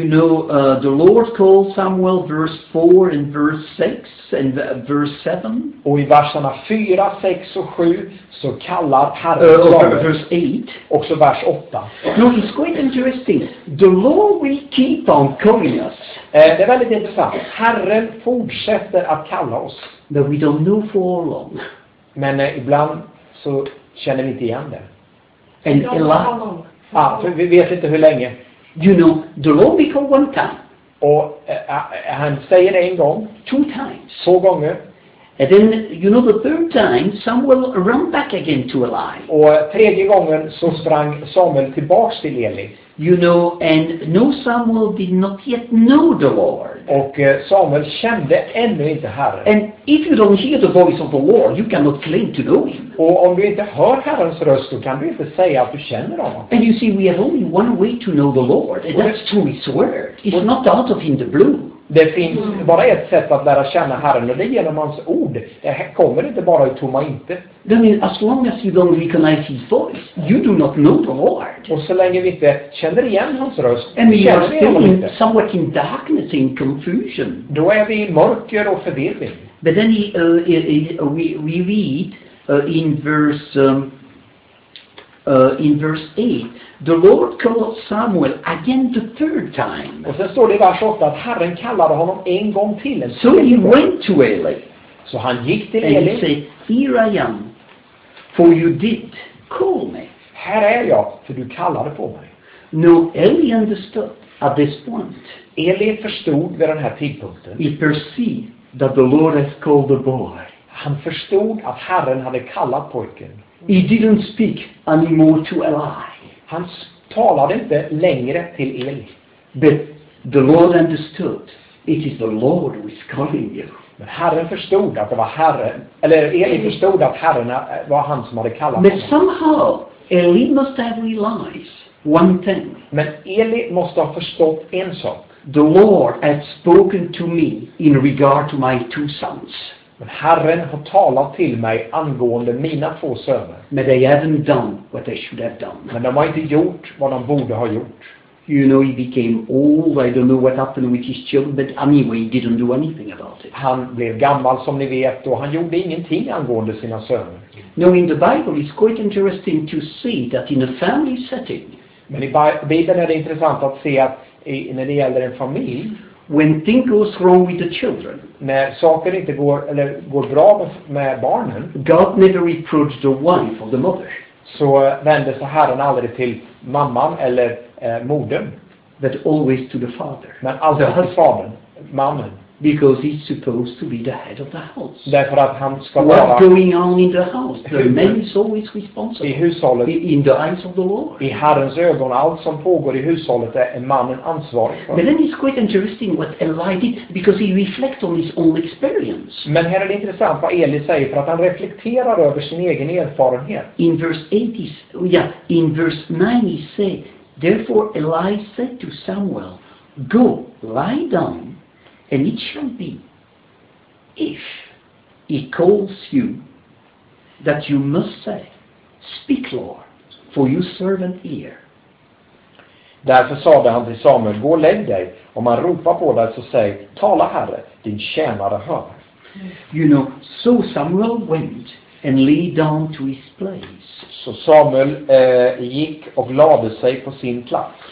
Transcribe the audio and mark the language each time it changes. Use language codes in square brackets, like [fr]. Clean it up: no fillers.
[en] You know, the Lord called Samuel verse 4 and verse 6 and verse 7. [sv] Och i verserna 4, 6 och 7 så kallar Herren Samuel. [en] Verse 8. [sv] Och så vers 8. [en] Now it's quite interesting. The Lord will keep on calling us. [sv] Det är väldigt intressant. Herren fortsätter att kalla oss. [en] But we don't know for long. [sv] Men ibland så känner vi inte igen det. [en] And Eli. [sv] Vi vet inte hur länge. [en] You know, the Lord will call one time. [sv] Och han säger det en gång. [en] Two times. [sv] Två gånger. [en] And then, you know, the third time, Samuel ran back again to Eli. [sv] Och tredje gången så sprang Samuel tillbaks till Eli. [en] You know, and no Samuel did not yet know the Lord. [sv] Och Samuel kände ännu inte Herren. [en] And if you don't hear the voice of the Lord, you cannot claim to know Him. [sv] Och om du inte hör Herrens röst, då kan du inte säga att du känner honom. [en] And you see, we have only one way to know the Lord, and that's through His Word. It's not out of in the blue. [sv] Det finns bara ett sätt att lära känna Herren, och det är genom hans ord. Det kommer inte bara i tomma intet. [en] I mean, as long as you don't recognize his voice, you do not know the Lord. [sv] Och så länge vi inte känner igen hans röst, [en] and [sv] känner [en] we are still in, somewhat in darkness, in confusion. [sv] Då är vi i mörker och förvirring. [en] But then we read in verse 8, the Lord called Samuel again the third time. [sv] Och sen står det i vers 8 att Herren kallade honom en gång till. [en] So he went to Eli. [sv] Så han gick till [en] and [sv] Eli. [en] And he said, here I am, for you did call me. [sv] Här är jag, för du kallade på mig. [en] No, Eli understood at this point. [sv] Eli förstod vid den här tidpunkten. [en] He perceived that the Lord has called the boy. [sv] Han förstod att Herren hade kallat pojken. [en] He didn't speak anymore to Eli. [sv] Han talade inte längre till Eli. [en] But the Lord understood. It is the Lord who is calling you. [sv] Men Herren förstod att det var Herren. Eller Eli förstod att Herren var han som hade kallat [en] honom. But somehow Eli must have realized one thing. [sv] Men Eli måste ha förstått en sak. [en] The Lord had spoken to me in regard to my two sons. [sv] Men Herren har talat till mig angående mina två söner. [en] But they haven't done what they should have done. [sv] Men de har inte gjort vad de borde ha gjort. [en] You know, he became old. I don't know what happened with his children, but anyway, he didn't do anything about it. [sv] Han blev gammal som ni vet, och han gjorde ingenting angående sina söner. [en] Now in the Bible, it's quite interesting to see that in a family setting. [sv] Men i Bibeln är det intressant att se att när det gäller en familj. [en] When things goes wrong with the children, [sv] när saker inte går eller går bra med barnen, [en] God never reproached the wife or the mother. [sv] Så vände sig Herren aldrig till mamman eller modern, [en] but always to the father. [sv] Men alltid till fadern, mamman, [en] because he's supposed to be the head of the house. [sv] Därför att han ska [en] what [sv] vara. [en] What's going on in the house? The man is always responsible. [sv] I hushållet. [en] In the eyes of the Lord. [sv] I Herrens ögon, allt som pågår i hushållet är en mannen ansvarig för. [en] But then it's quite interesting what Eli did, because he reflects on his own experience. [sv] Men här är det intressant vad Eli säger, för att han reflekterar över sin egen erfarenhet. [en] In verse 8, in verse 9 he said, therefore Eli said to Samuel, go, lie down. And it shall be, if he calls you, that you must say, speak, Lord, for your servant hear. [sv] Därför sade han till Samuel, gå och lägg dig. Om han ropar på dig så säg, tala Herre, din tjänare hör. [en] You know, so Samuel went. and lay down to his place. [sv] Så Samuel gick och lade sig på sin plats.